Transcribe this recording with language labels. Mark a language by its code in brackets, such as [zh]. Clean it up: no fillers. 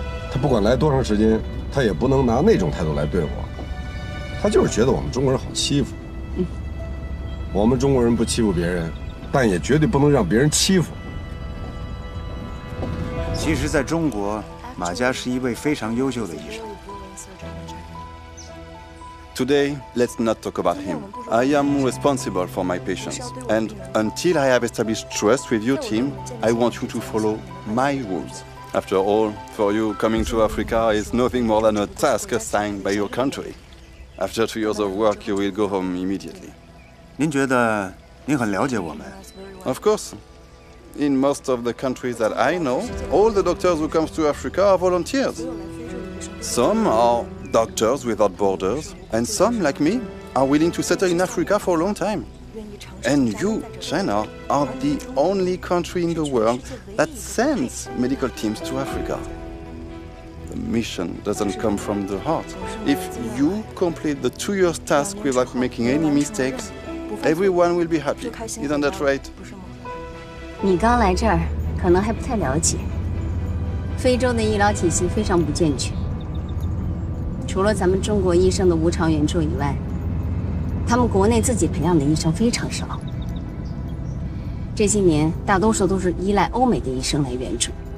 [zh] 他不管来多长时间，他也不能拿那种态度来对我。他就是觉得我们中国人好欺负。我们中国人不欺负别人，但也绝对不能让别人欺负。其实在中国，马嘉是一位非常优秀的医生。 [en] Today, let's not talk about him. I am responsible for my patients, and until I have established trust with your team, I want you to follow my rules. After all, for you coming to Africa is nothing more than a task assigned by your country. After 2 years of work, you will go home immediately. [zh] 您觉得？您很了解我们。 [en] Of course. In most of the countries that I know, all the doctors who come to Africa are volunteers. Some are doctors without borders, and some, like me, are willing to settle in Africa for a long time. And you, China, are the only country in the world that sends medical teams to Africa. The mission doesn't come from the heart. If you complete the 2 years task without making any mistakes,Everyone will be happy. Isn't that right? [zh] 你刚来这儿，可能还不太了解。非洲的医疗体系非常不健全，除了咱们中国医生的无偿援助以外，他们国内自己培养的医生非常少，这些年大多数都是依赖欧美的医生来援助。